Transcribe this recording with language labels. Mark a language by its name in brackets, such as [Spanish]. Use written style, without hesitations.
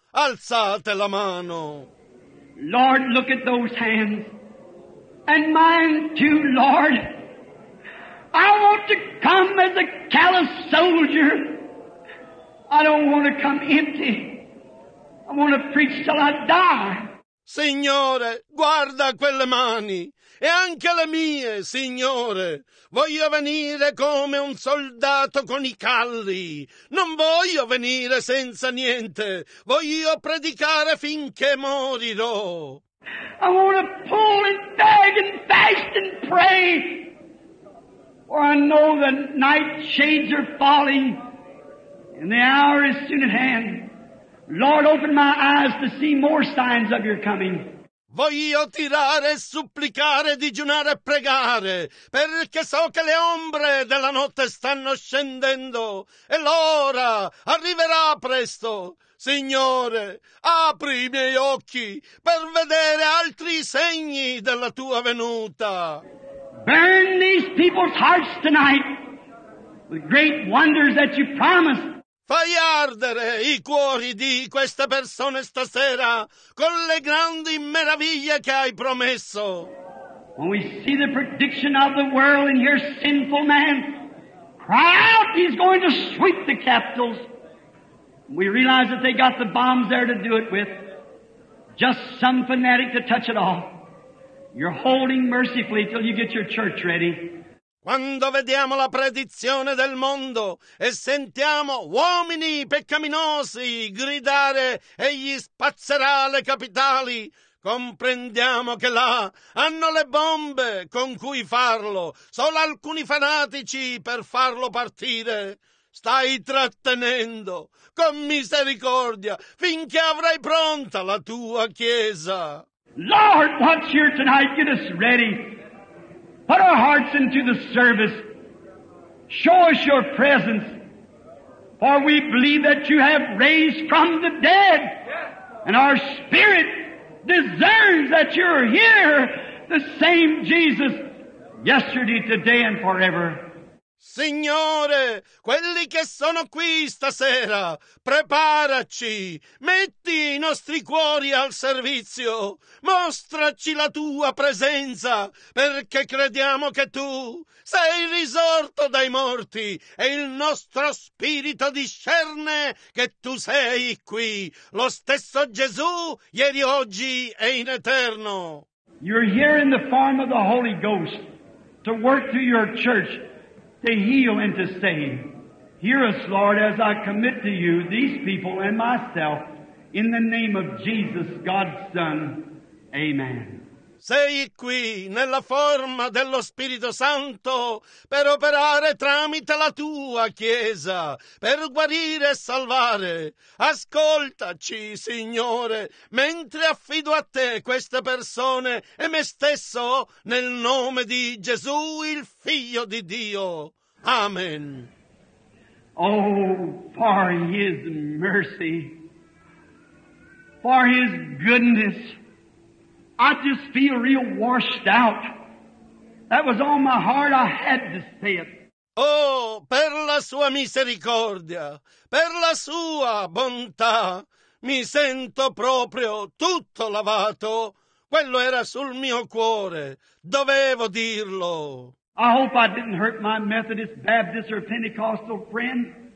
[Italian] Alzate la mano. [English] Lord, look at those hands. And mine too, Lord. I want to come as a callous soldier. I don't want to come empty. I want to preach till I die. [Italian] Signore, guarda quelle mani. E anche le mie, Signore, voglio venire come un soldato con i calli. Non voglio venire senza niente. Voglio predicare finché morirò. [English] I want to pull and beg and fast and pray. For I know the night shades are falling and the hour is soon at hand. Lord, open my eyes to see more signs of your coming. [Italian] Voglio tirare, supplicare, digiunare e pregare, perché so che le ombre della notte stanno scendendo, e l'ora arriverà presto. Signore, apri i miei occhi per vedere altri segni della Tua venuta. [English] Burn these people's hearts tonight with great wonders that you promised. [Italian] Fai ardere i cuori di queste persone stasera con le grandi meraviglie che hai promesso. [English] When we see the prediction of the world and hear sinful man cry out, he's going to sweep the capitals. We realize that they got the bombs there to do it with. Just some fanatic to touch it all. You're holding mercifully till you get your church ready. [Italian] Quando vediamo la predizione del mondo e sentiamo uomini peccaminosi gridare egli spazzerà le capitali, comprendiamo che là hanno le bombe con cui farlo, solo alcuni fanatici per farlo partire. Stai trattenendo con misericordia finché avrai pronta la tua chiesa. [English] Lord, watch here tonight, get us ready. Put our hearts into the service. Show us your presence. For we believe that you have raised from the dead. And our spirit discerns that you're here, the same Jesus, yesterday, today, and forever. [Italian] Signore, quelli che sono qui stasera, preparaci, metti i nostri cuori al servizio, mostraci la tua presenza, perché crediamo che tu sei risorto dai morti e il nostro spirito discerne che tu sei qui, lo stesso Gesù, ieri, oggi e in eterno. [English] You're here in the form of the Holy Ghost to work through your church. To heal and to save. Hear us, Lord, as I commit to you these people and myself in the name of Jesus, God's Son. Amen. [Italian] Sei qui nella forma dello Spirito Santo per operare tramite la tua Chiesa, per guarire e salvare. Ascoltaci, Signore, mentre affido a te queste persone e me stesso nel nome di Gesù, il Figlio di Dio. Amen. [English] Oh, for His mercy, for His goodness, I just feel real washed out. That was on my heart, I had to say it. [Italian] Oh, per la sua misericordia, per la sua bontà, mi sento proprio tutto lavato. Quello era sul mio cuore, dovevo dirlo. [English] I hope I didn't hurt my Methodist, Baptist, or Pentecostal friend.